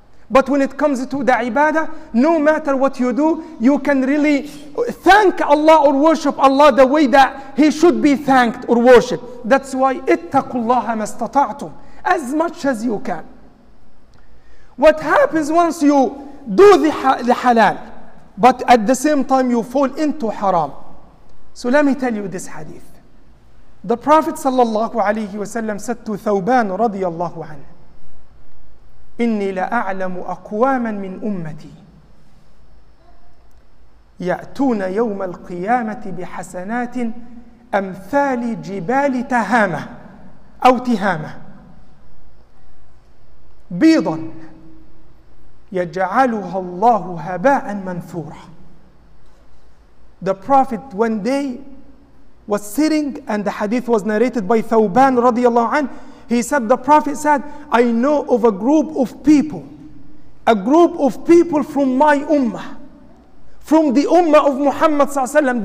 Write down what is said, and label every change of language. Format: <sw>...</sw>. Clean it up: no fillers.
<en>But when it comes to the ibadah, no matter what you do, you can really thank Allah or worship Allah the way that He should be thanked or worshipped. That's why,</en> <ar>اتقوا الله ما استطعتم.</ar> <en>As much as you can. What happens once you do the halal, but at the same time you fall into haram? So let me tell you this hadith. The Prophet sallallahu alayhi wa sallam said to Thawban radiyallahu anhu,</en> <ar>إني لأعلم أقواما من أمتي يأتون يوم القيامة بحسنات أمثال جبال تهامة أو تهامة بيضا يجعلها الله هباء منثورا.</ar> <en>The Prophet one day was sitting, and the hadith was narrated by Thawban radiyallahu anhu. He said, the Prophet said, I know of a group of people from my ummah, from the ummah of Muhammad sallallahu alaihi wasallam.</en>